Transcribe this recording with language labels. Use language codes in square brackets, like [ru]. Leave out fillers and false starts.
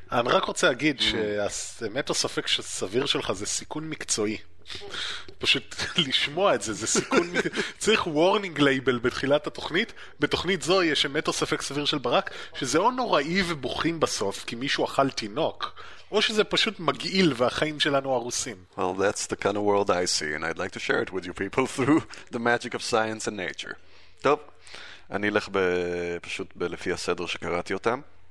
[he] אני רק רוצה להגיד שהאמת הספק שסביר שלך זה סיכון מקצועי. פשוט לשמוע את זה, זה סיכון צריך וורנינג לייבל בתחילת התוכנית. בתוכנית זו יש אמת או ספק סביר של ברק, שזה או נוראי ובוכים בסוף כי מישהו אכל תינוק, או שזה פשוט מגעיל והחיים שלנו הרוסים. [en] Well, that's the kind of world I see, and I'd like to share it with you people through the magic of science and nature. [he] טוב, אני אלך פשוט לפי הסדר שקראתי אותם.